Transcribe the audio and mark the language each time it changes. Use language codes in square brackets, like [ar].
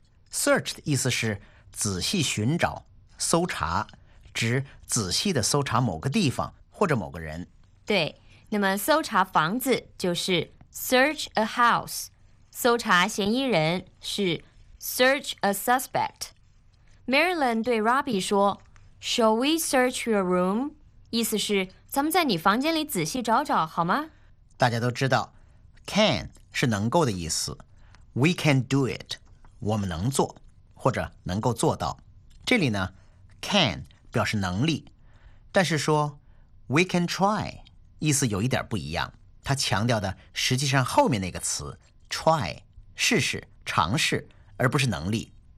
[zh] Search 的意思是仔细寻找搜查，指仔细的搜查某个地方或者某个人。对，那么搜查房子就是 [en] search a house， [zh] 搜查嫌疑人是 search a suspectMarilyn 对 Robbie 说 [en] Shall we search your room? [zh] 意思是咱们在你房间里仔细找找好吗？大家都知道 can 是能够的意思， [en] We can do it， [zh] 我们能做或者能够做到。这里呢 can 表示能力，但是说 [en] We can try [zh] 意思有一点不一样，它强调的实际上后面那个词 try 试试尝试，而不是能力。